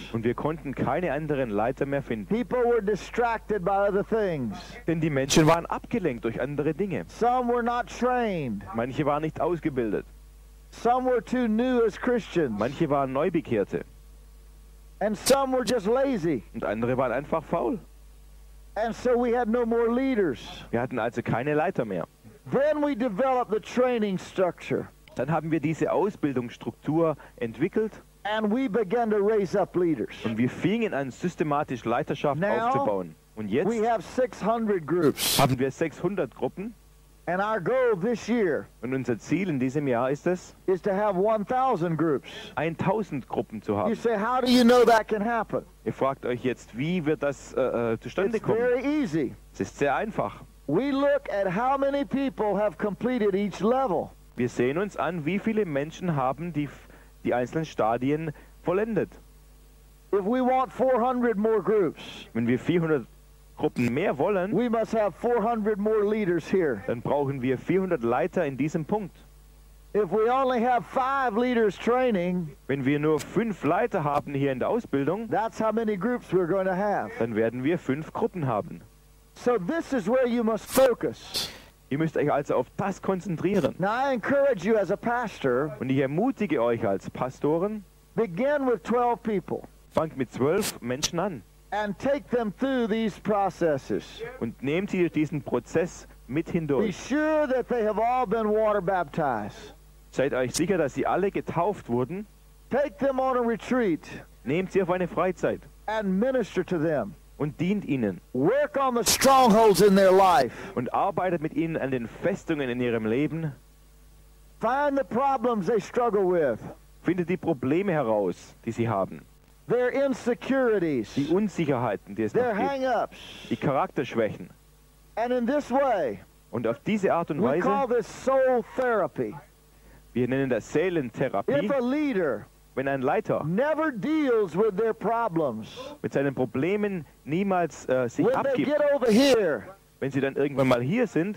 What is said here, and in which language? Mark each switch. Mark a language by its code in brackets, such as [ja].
[de] Und wir konnten keine anderen Leiter mehr finden. [en] People were distracted by other things. [de] Denn die Menschen waren abgelenkt durch andere Dinge. [en] Some were not trained. [de] Manche waren nicht ausgebildet. [en] Some were too new as Christians. [de] Manche waren Neubekehrte. [en] And some were just lazy. [de] Und andere waren einfach faul. [en] And so we had no more leaders. [de] Wir hatten also keine Leiter mehr. [en] Then we developed the training structure. [de] Dann haben wir diese Ausbildungsstruktur entwickelt. [en] And we began to raise up leaders. [de] Und wir fingen an, systematisch Leiterschaft [en] now, [de] aufzubauen. Und jetzt [en] we have 600 groups. [de] Haben wir 600 Gruppen. [en] And our goal this year, [de] und unser Ziel in diesem Jahr ist es, [en] is to have 1,000 groups. [de] 1,000 Gruppen zu haben. [en] You say, how do you know that can happen? [de] Ihr fragt euch jetzt, wie wird das zustande [en] it's [de] kommen? [en] Very easy. [de] Es ist sehr einfach. [en] We look at how many people have completed each level. [de] Wir sehen uns an, wie viele Menschen haben die einzelnen Stadien vollendet. [en] If we want 400 more groups, [de] wenn wir 400 Gruppen mehr wollen, [en] we must have 400 more leaders here. [de] Dann brauchen wir 400 Leiter in diesem Punkt. [en] If we only have 5 leaders training, [de] wenn wir nur 5 Leiter haben hier in der Ausbildung, [en] that's how many groups we're going to have. [de] Dann werden wir 5 Gruppen haben. [en] So this is where you must focus. [de] Ihr müsst euch also auf das konzentrieren. [en] Now I encourage you as a pastor, [de] und ich ermutige euch als Pastoren, [en] begin with 12 people, [de] fangt mit 12 Menschen an [en] and take them through these processes, [de] und nehmt sie durch diesen Prozess mit hindurch. [en] Be sure that they have all been water baptized. [de] Seid euch sicher, dass sie alle getauft wurden. [en] Take them on a retreat, [de] nehmt sie auf eine Freizeit [en] and minister to them, [de] und dient ihnen. [en] Work on the strongholds in their life, [de] und arbeitet mit ihnen an den Festungen in ihrem Leben. [en] Find the problems they struggle with, [de] findet die Probleme heraus, die sie haben. [en] Their insecurities, [de] die Unsicherheiten, die es [en] their [de] noch [en] hang-ups, [de] gibt, die Charakterschwächen. [en] And in this way, [de] und auf diese Art und Weise, [en] we call this soul therapy. [de] Wir nennen das Seelentherapie. [en] If a leader, [de] wenn ein Leiter [en] never deals with their problems, [de] mit seinen Problemen niemals sich [en] when [de] abgibt, [en] they get over here, [de] wenn sie dann irgendwann mal hier sind,